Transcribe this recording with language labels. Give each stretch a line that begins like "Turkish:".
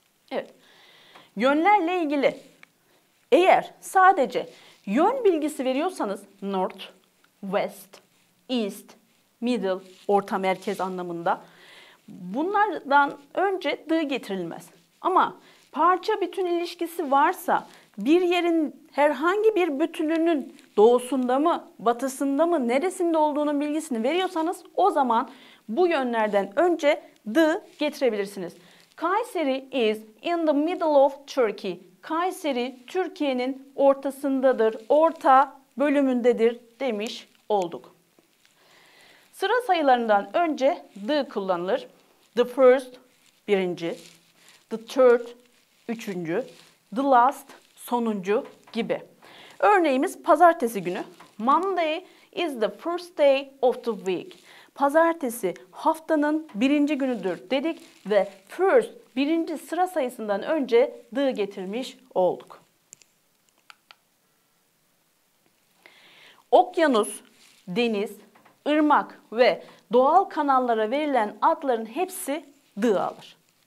Turkish: Evet, yönlerle ilgili. Eğer sadece yön bilgisi veriyorsanız north, west, east, middle, orta merkez anlamında bunlardan önce the getirilmez. Ama parça bütün ilişkisi varsa, bir yerin herhangi bir bütününün doğusunda mı, batısında mı, neresinde olduğunun bilgisini veriyorsanız, o zaman bu yönlerden önce the getirebilirsiniz.
English: Kayseri is in the middle of Turkey.
Turkish: Kayseri, Türkiye'nin ortasındadır, orta bölümündedir demiş olduk. Sıra sayılarından önce the kullanılır. The first, birinci. The third, üçüncü. The last, sonuncu gibi. Örneğimiz pazartesi günü.
English: Monday is the first day of the week.
Turkish: Pazartesi haftanın birinci günüdür dedik ve first, birinci sıra sayısından önce the getirmiş olduk. Okyanus, deniz, ırmak ve doğal kanallara verilen adların hepsi the alır.